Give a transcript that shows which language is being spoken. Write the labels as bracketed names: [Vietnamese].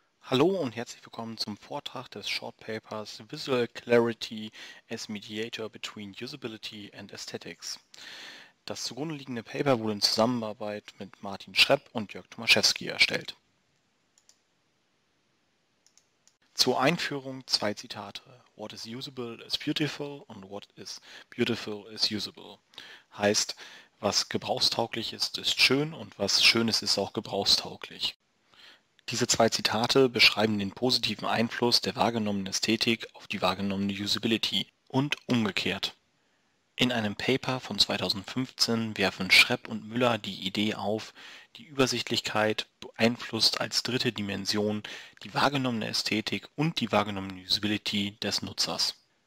[German] Hallo und herzlich willkommen zum Vortrag des Short Papers Visual Clarity as Mediator between Usability and Aesthetics. Das zugrunde liegende Paper wurde in Zusammenarbeit mit Martin Schrepp und Jörg Tomaszewski erstellt. Zur Einführung zwei Zitate. [English] What is usable is beautiful and what is beautiful is usable. [German] Heißt, was gebrauchstauglich ist, ist schön, und was schön ist, ist auch gebrauchstauglich. Diese zwei Zitate beschreiben den positiven Einfluss der wahrgenommenen Ästhetik auf die wahrgenommene Usability und umgekehrt. In einem Paper von 2015 werfen Schrepp und Müller die Idee auf, die Übersichtlichkeit beeinflusst als dritte Dimension die wahrgenommene Ästhetik und die wahrgenommene Usability des Nutzers.